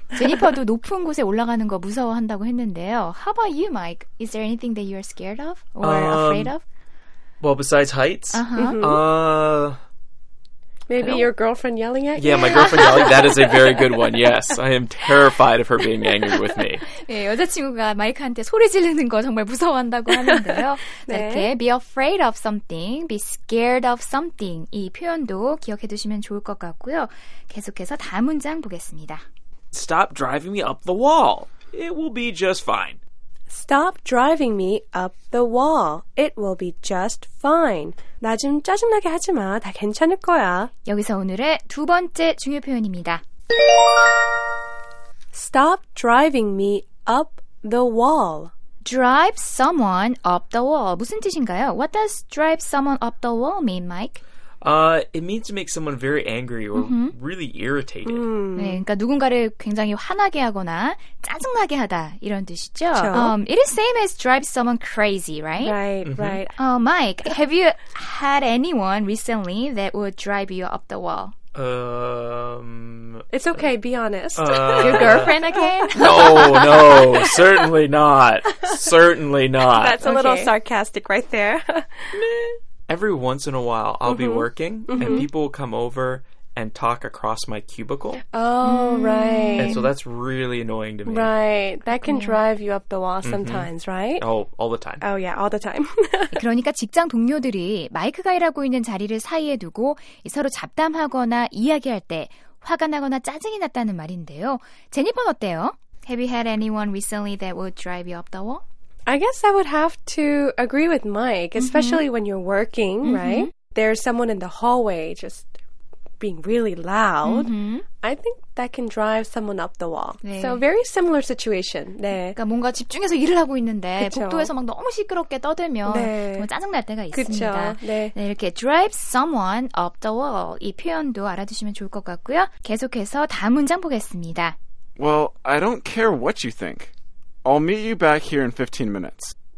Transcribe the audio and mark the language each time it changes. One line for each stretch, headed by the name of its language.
Korean: 제니퍼도 높은 곳에 올라가는 거 무서워한다고 했는데요.
English: How about you, Mike? Is there anything that you're scared of or afraid of? Well, besides heights? Uh-huh. Mm-hmm. Maybe your girlfriend yelling at you? Yeah, my girlfriend yelling. That is a very good one. Yes, I am terrified of her being angry with me.
Korean: 네, 여자친구가 마이크한테 소리 지르는 거 정말 무서워한다고 하는데요. 네. 이렇게 be afraid of something, be scared of something 이 표현도 기억해 두시면 좋을 것 같고요. 계속해서 다음 문장 보겠습니다.
English: Stop driving me up the wall. It will be just fine. Stop driving me up the wall. It will be just fine.
Korean: 나 좀 짜증나게 하지 마. 다 괜찮을 거야. 여기서 오늘의 두 번째 중요 표현입니다.
English: Stop driving me up the wall. Drive someone up the wall. 무슨 뜻인가요? What does drive someone up the wall mean, Mike? It means to make someone very angry or mm-hmm. really irritated. Mm.
Korean: 네, 그러니까 누군가를 굉장히 화나게 하거나 짜증나게 하다 이런 뜻이죠.
English: It is same as drive someone crazy, right? Right, mm-hmm. right. Mike, have you had anyone recently that would drive you up the wall? It's okay, be honest. Your girlfriend again? No, certainly not. Certainly not. That's a okay. little sarcastic right there. Every once in a while, I'll mm-hmm. be working, mm-hmm. and people will come over and talk across my cubicle. Oh, mm. right. And so that's really annoying to me. Right. That can drive you up the wall sometimes, mm-hmm. right? Oh, all the time. Oh, yeah, all the time.
Korean: 그러니까 직장 동료들이 마이크가 일하고 있는 자리를 사이에 두고 서로 잡담하거나 이야기할 때 화가 나거나 짜증이 났다는 말인데요. 제니퍼는 어때요?
English: Have you had anyone recently that would drive you up the wall? I guess I would have to agree with Mike, especially mm-hmm. when you're working, mm-hmm. right? There's someone in the hallway just being really loud. Mm-hmm. I think that can drive someone up the wall. 네. So very similar situation. 네.
Korean: 그러니까 뭔가 집중해서 일을 하고 있는데 그쵸. 복도에서 막 너무 시끄럽게 떠들면 네. 정말 짜증날 때가 있습니다. 그쵸. 네. 네, 이렇게 drive someone up the wall 이 표현도 알아두시면 좋을 것 같고요. 계속해서 다음 문장 보겠습니다.
English: Well, I don't care what you think. I'll meet you back here in 15 minutes.